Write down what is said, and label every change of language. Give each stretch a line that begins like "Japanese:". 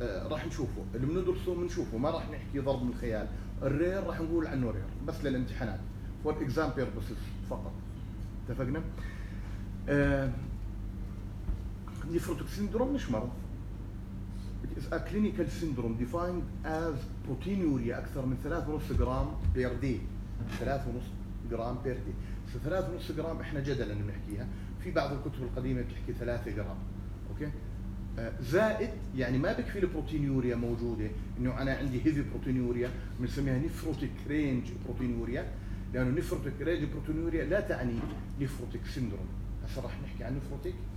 Arabic: راح نشوفه اللي بندرسه بنشوفه، ما راح نحكي ضرب من الخيال. الرير راح نقول عنه رير بس للامتحانات
English: for example
Arabic: بس فقط، اتفقنا؟ نيفروتيك سيندروم مش مرض.
English: It's a clinical syndrome defined as proteinuria
Arabic: أكثر من 3.5 جرام
English: per day. 3.5 جرام per day.
Arabic: 3.5 جرام إحنا جدلاً نحكيها، في بعض الكتب القديمة بتحكي 3 جرام. أوكي؟ زائد يعني ما بكفي البروتينيوريا موجودة إنه أنا عندي heavy proteinuria، بنسميها nephrotic range proteinuria، لأنه nephrotic range proteinuria لا تعني nephrotic syndrome. هسا راح نحكي عن nephrotic.